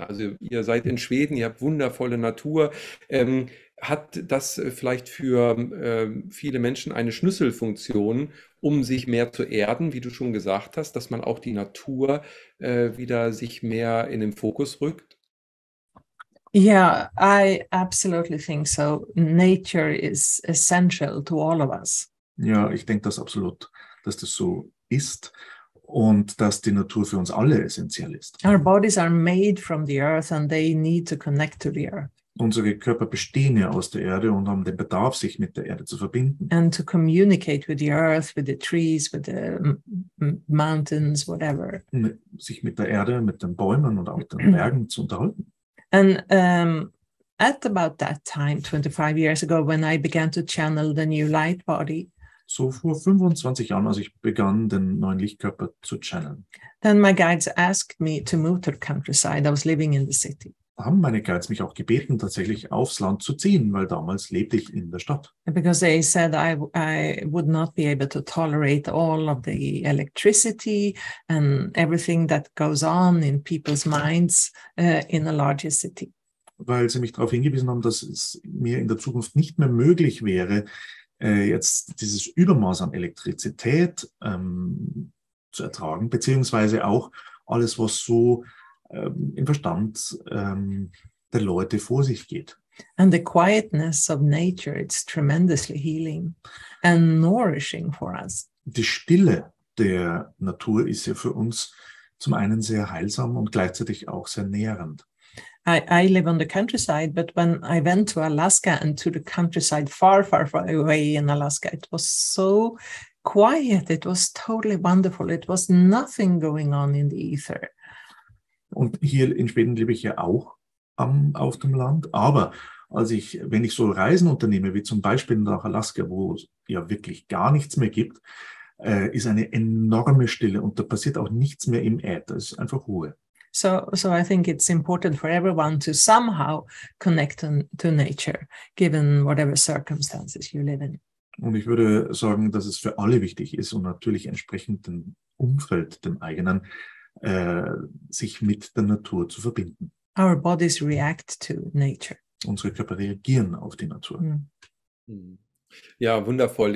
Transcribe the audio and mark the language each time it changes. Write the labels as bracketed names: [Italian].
[German] Also ihr seid in Schweden, ihr habt wundervolle Natur. Hat das vielleicht für viele Menschen eine Schlüsselfunktion, um sich mehr zu erden, wie du schon gesagt hast, dass man auch die Natur wieder sich mehr in den Fokus rückt? [English] Yeah, I absolutely think so. Nature is essential to all of us. [German] Ja, ich denke das absolut, dass das so ist und dass die Natur für uns alle essentiell ist. [English] Our bodies are made from the earth and they need to connect to the earth. [German] Unsere Körper bestehen ja aus der Erde und haben den Bedarf, sich mit der Erde zu verbinden. [English] And to communicate with the earth, with the trees, with the mountains, whatever. [German] Sich mit der Erde, mit den Bäumen und auch den Bergen zu unterhalten. [English] And at about that time, 25 years ago, when I began to channel the new light body. [German] So vor 25 Jahren, als ich begann, den neuen Lichtkörper zu channeln. [English] Then my guides asked me to move to the countryside. I was living in the city. [German] Haben meine Guides mich auch gebeten, tatsächlich aufs Land zu ziehen, weil damals lebte ich in der Stadt. [English] Because they said I would not be able to tolerate all of the electricity and everything that goes on in people's minds in a larger city. [German] Weil sie mich darauf hingewiesen haben, dass es mir in der Zukunft nicht mehr möglich wäre, jetzt dieses Übermaß an Elektrizität zu ertragen, beziehungsweise auch alles, was so im Verstand der Leute vor sich geht. [English] And the quietness of nature, it's tremendously healing and nourishing for us. [German] Die Stille der Natur ist ja für uns zum einen sehr heilsam und gleichzeitig auch sehr nährend. [English] I live on the countryside, but when I went to Alaska and to the countryside far, far, far away in Alaska, it was so quiet. It was totally wonderful. It was nothing going on in the ether. [German] Und hier in Schweden lebe ich ja auch auf dem Land. Aber als ich, wenn ich so Reisen unternehme, wie zum Beispiel nach Alaska, wo es ja wirklich gar nichts mehr gibt, ist eine enorme Stille und da passiert auch nichts mehr im Äther. Es ist einfach Ruhe. [English] So I think it's important for everyone to somehow connect to nature, given whatever circumstances you live in. [German] Und ich würde sagen, dass es für alle wichtig ist und natürlich entsprechend dem Umfeld, dem eigenen, sich mit der Natur zu verbinden. [English] Our bodies react to nature. [German] Unsere Körper reagieren auf die Natur. Mm. Ja, wundervoll.